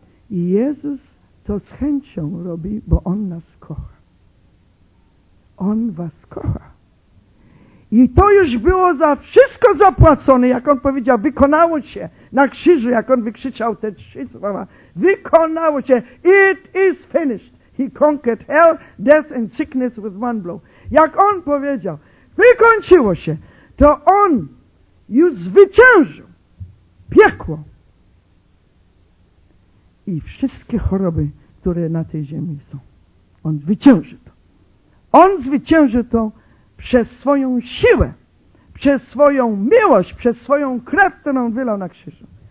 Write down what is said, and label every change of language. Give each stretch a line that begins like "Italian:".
Polish: I Jezus to z chęcią robi, bo On nas kocha. On was kocha. I to już było za wszystko zapłacone, jak On powiedział, wykonało się. Na krzyżu, jak On wykrzyczał te trzy słowa. Wykonało się.
English: It is finished. He conquered hell, death and sickness with one blow.
Polish: Jak On powiedział, wykończyło się, to On już zwyciężył piekło i wszystkie choroby, które na tej ziemi są. On zwyciężył to. On zwyciężył to przez swoją siłę, przez swoją miłość, przez swoją krew, którą wylał na krzyżu.